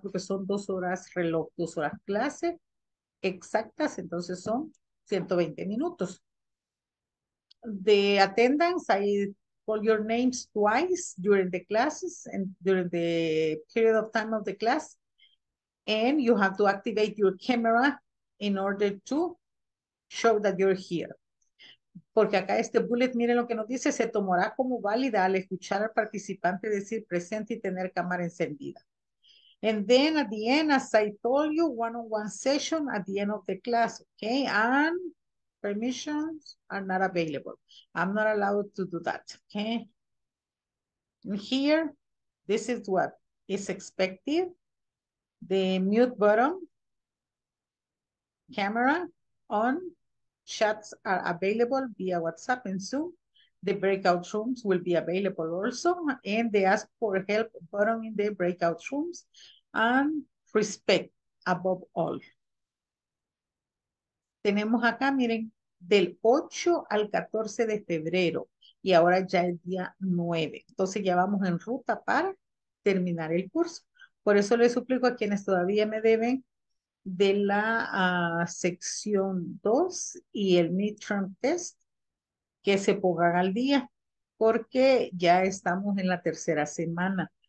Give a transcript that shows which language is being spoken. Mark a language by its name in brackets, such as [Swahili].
[Spanish] Porque son dos horas reloj, dos horas clase exactas, entonces son 120 minutos. [English] The attendance, I call your names twice during the classes and during the period of time of the class. And you have to activate your camera in order to show that you're here. [Spanish] Porque acá este bullet, miren lo que nos dice, se tomará como válida al escuchar al participante decir presente y tener cámara encendida. [English] And then at the end, as I told you, one-on-one session at the end of the class, okay? And permissions are not available. I'm not allowed to do that, okay? And here, this is what is expected. The mute button, camera on, chats are available via WhatsApp and Zoom. The breakout rooms will be available also, and the ask for help button in the breakout rooms, and respect above all. [Spanish] Tenemos acá, miren, del 8 al 14 de febrero, y ahora ya es día 9. Entonces ya vamos en ruta para terminar el curso. Por eso les suplico a quienes todavía me deben de la sección 2 y el midterm test que se pongan al día, porque ya estamos en la tercera semana.